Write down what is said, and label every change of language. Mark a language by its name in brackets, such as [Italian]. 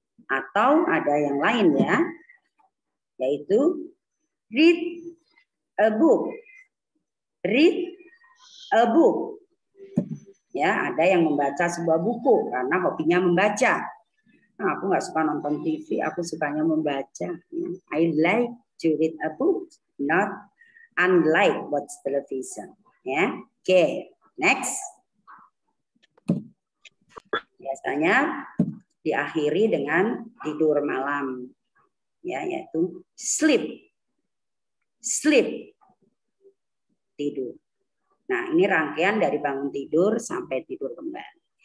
[Indonesian] Atau ada yang lain ya, yaitu [English] read a book. Read a book. [Indonesian] Ya, ada yang membaca sebuah buku karena hobinya membaca. Nah, aku nggak suka nonton TV, aku sukanya membaca. [English] I like to read a book, not unlike watch television. [Indonesian] Ya, oke, okay, next. Biasanya diakhiri dengan tidur malam, ya, yaitu sleep, sleep, tidur. Nah, ini rangkaian dari bangun tidur sampai tidur kembali.